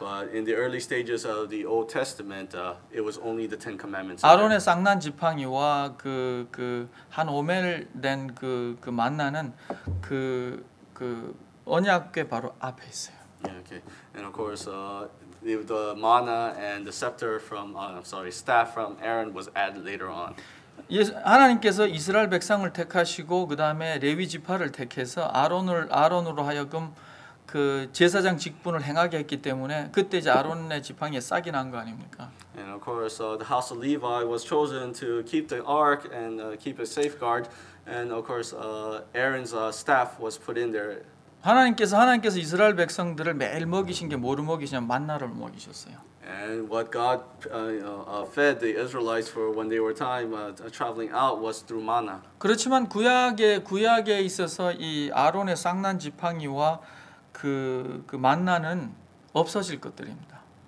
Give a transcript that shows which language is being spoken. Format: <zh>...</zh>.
<en>But in the early stages of the Old Testament, it was only the Ten Commandments.</en> <ko>아론의 쌍난 지팡이와 그 한 오멜 된 그 만나는 그 언약궤 바로 앞에 있어요.</ko> <en>Yeah, okay. And of course, the manna and the scepter from, staff from Aaron was added later on.</en> <ko>하나님께서 이스라엘 백성을 택하시고 그 다음에 레위 지파를 택해서 아론으로 하여금 그 제사장 직분을 행하게 했기 때문에 그때 이제 아론의 지팡이에 싹이 난 거 아닙니까?</ko> <en>And of course, the house of Levi was chosen to keep the ark and keep a safeguard. And of course, Aaron's staff was put in there.</en> <ko>하나님께서 이스라엘 백성들을 매일 먹이신 게 뭐로 먹이시냐면 만나를 먹이셨어요.</ko> <en>And what God fed the Israelites for when they were traveling out was through manna.</en> <ko>그렇지만 구약에 있어서 이 아론의 쌍난 지팡이와 그 만나는 없어질 것들입니다.</ko>